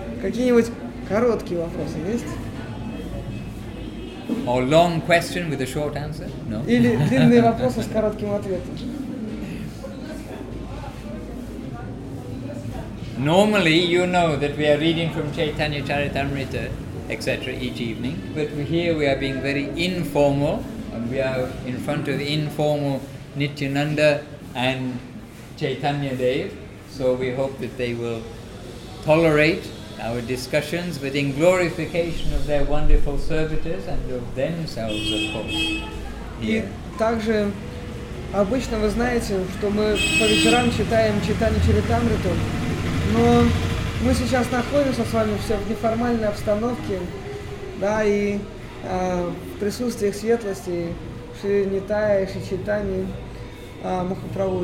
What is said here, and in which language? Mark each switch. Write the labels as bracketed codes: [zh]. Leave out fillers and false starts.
[ru] Какие-нибудь короткие вопросы есть? [en] Or long question with a short answer? No. [ru] Или длинные вопросы с коротким ответом? [en] Normally, you know that we are reading from Chaitanya Charitamrita, etc. each evening. But here we are being very informal, and we are in front of the informal Nityananda and Chaitanya Dev. So we hope that they will tolerate our discussions, but in glorification of their wonderful servitors and of themselves, of course. [ru] И также обычно вы знаете, что мы по вечерам читаем Чайтанья Чаритамриту. Но мы сейчас находимся с вами все в неформальной обстановке, да, и в присутствии светлости Шри Нитая, Шри Чайтаньи Махапрабху.